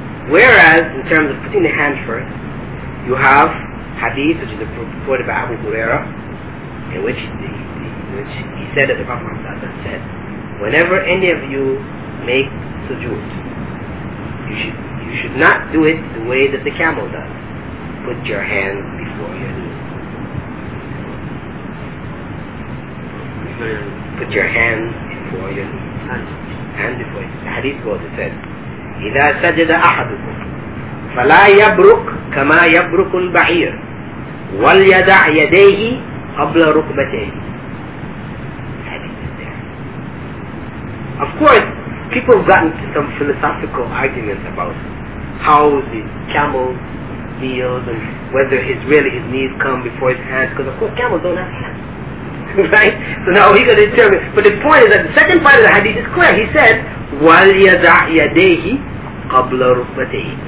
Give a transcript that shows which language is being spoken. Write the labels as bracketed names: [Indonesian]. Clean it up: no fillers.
[English] Whereas, in terms of putting the hand first, you have hadith, which is reported by Abu Huraira, in which which he said that the Prophet Muhammad said, whenever any of you make sujood, you should not do it the way that the camel does. Put your hand before your knee. Put your hand before your knee. Hand before your knee. The hadith goes, it says, [Arabic] إِذَا سَجَدَ أَحَدُكُمْ فَلَا يَبْرُكْ كَمَا يَبْرُكُ الْبَعِيرُ وَلْيَدَعْ يَدَيْهِ قَبْلَ رُكْبَتَيْهِ. [English] Hadith is there. Of course, people have gotten to some philosophical arguments about how the camel feels and whether his knees come before his hands, because of course camels don't have hands. Right? So now he's going to determine. But the point is that the second part of the hadith is clear. He said, [Arabic] وَلْيَدَعْ يَدَيْهِ قَبْلَ رُكْبَتَيْهِ.